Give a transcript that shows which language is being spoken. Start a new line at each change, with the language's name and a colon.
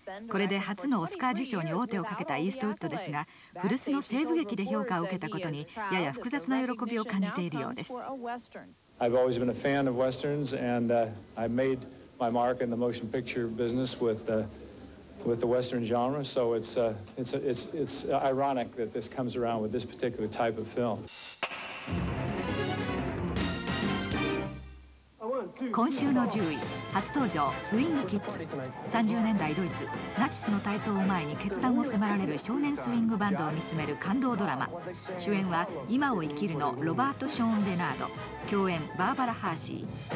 Japanese: これで初のオスカー受賞に王手をかけたイーストウッドですが、古巣の西部劇で評価を受けたことにやや複雑な喜びを感じているようです。
English: I've always been a fan of westerns, and I made my mark in the motion picture business with the western genre. So it's ironic that this comes around with this particular type of film.
Japanese: 今週の10位、初登場スイングキッズ。30年代ドイツ、ナチスの台頭を前に決断を迫られる少年スイングバンドを見つめる感動ドラマ。主演は今を生きるのロバート・ショーン・レナード、共演バーバラ・ハーシー。